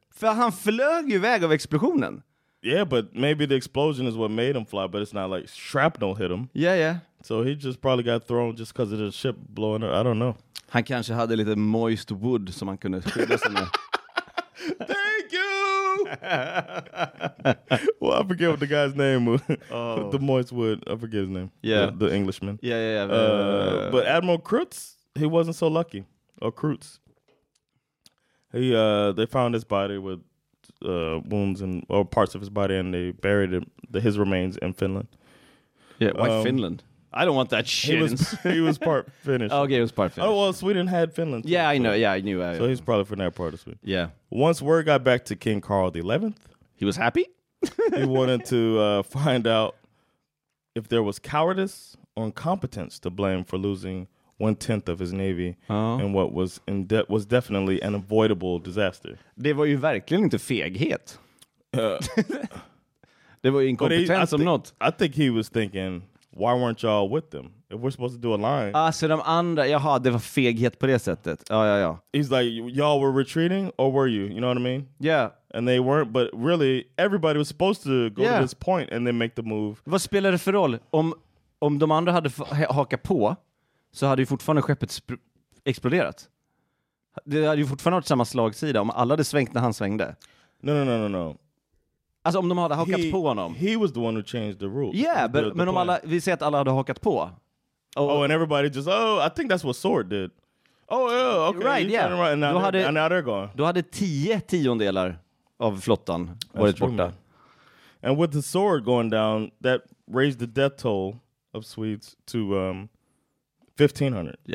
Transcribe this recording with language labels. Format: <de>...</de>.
<sv>För han flög ju iväg av explosionen.</sv> <en>Yeah, but maybe the explosion is what made him fly, but it's not like shrapnel hit him. Yeah. So he just probably got thrown just because of the ship blowing up. I don't know.</en> <sv>Han kanske hade lite</sv> <en>moist wood</en> <sv>som han kunde skydda sig med.</sv> <en>Thank you! Well, I forget what the guy's name was. The moist wood. I forget his name. Yeah. The Englishman. Yeah. But Admiral Kruts, he wasn't so lucky. Or Kruts. They found his body with wounds and or parts of his body, and they buried him, his remains in Finland. Yeah, why Finland? I don't want that shit. He was part Finnish. Okay, he was part Finnish. Oh, well, Sweden had Finland. Yeah, I know. Yeah, I knew. So he's probably from that part of Sweden. Yeah. Once word got back to King Carl XI, he was happy. He wanted to find out if there was cowardice or incompetence to blame for losing 1/10 of his navy and what was in was definitely an avoidable disaster.</en> <sv>Det var ju verkligen inte feghet. Det var ju inkompetens om något.</sv> <en>I think he was thinking, why weren't y'all with them? If we're supposed to do a line.</en> <sv>Alltså de andra, jaha, det var feghet på det sättet. Ja, ja, ja.</sv> <en>He's like, y'all were retreating or were you? You know what I mean? Yeah. And they weren't, but really, everybody was supposed to go to this point and then make the move.</en> <sv>Vad spelar det för roll? Om de andra hade hakat på så hade ju fortfarande skeppet exploderat. Det hade ju fortfarande varit samma slagsida om alla hade svängt när han svängde.</sv> <en>No.</en> <sv>Alltså om de hade hakat på honom.</sv> <en>He was the one who changed the rules.</en> <sv>Yeah, men om alla, vi säger att alla hade hakat på.</sv> <en>Oh, and everybody just, I think that's what Sword did. Oh, yeah, okay. Right, yeah. And now, they're gone.</en> <sv>Då hade 10/10 av flottan varit borta.</sv> <en>And with the Sword going down, that raised the death toll of Swedes to 1500.</en>